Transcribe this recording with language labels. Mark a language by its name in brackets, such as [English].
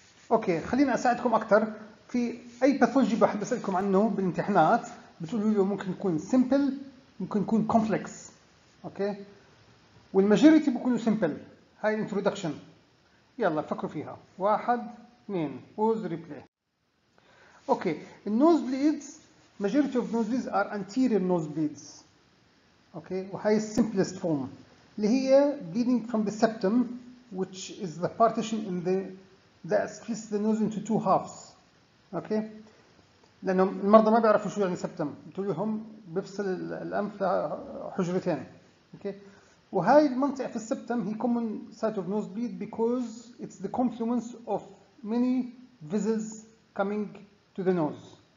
[Arabic] اوكي، خلينا اساعدكم اكتر. في اي pathology بحب اسألكم عنه بالامتحانات بتقولوا له ممكن يكون simple ممكن يكون complex. اوكي، والماجوريتي بيكونوا سمبل. هاي الانترودكشن، يلا فكروا فيها. واحد اثنين [English] بوز reply. Okay, النوز bleeds majority of nose bleeds are anterior nose bleeds. Okay, وهاي السمبلست فورم اللي هي bleeding from the septum which is the partition in the that splits the nose into two halves. [Arabic] اوكي، لانه المرضى ما بيعرفوا شو يعني سبتم، بتقول لهم بيفصل الانف حجرتين. اوكي، وهاي المنطقه في السبتم هي [English] common site of nose bleed because it's the confluence of many vessels coming to the nose.